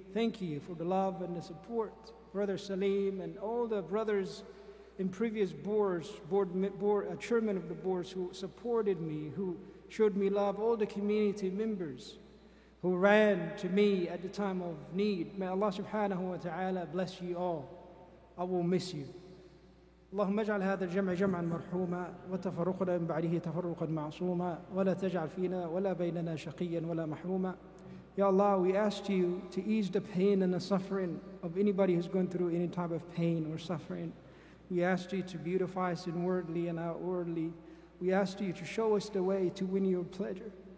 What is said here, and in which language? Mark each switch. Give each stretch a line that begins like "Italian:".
English: Thank you for the love and the support, Brother Salim, and all the brothers in previous chairman of the boards who supported me, who showed me love, all the community members who ran to me at the time of need. May Allah subhanahu wa ta'ala bless you all. I will miss you.
Arabic: اللهم اجعل هذا الجمع جمعا مرحوما وتفرقنا من بعده تفرقا معصوما ولا تجعل فينا ولا بيننا شقيا ولا محروما.
English: Ya Allah, we asked you to ease the pain and the suffering of anybody who's going through any type of pain or suffering. We asked you to beautify us inwardly and outwardly. We asked you to show us the way to win your pleasure.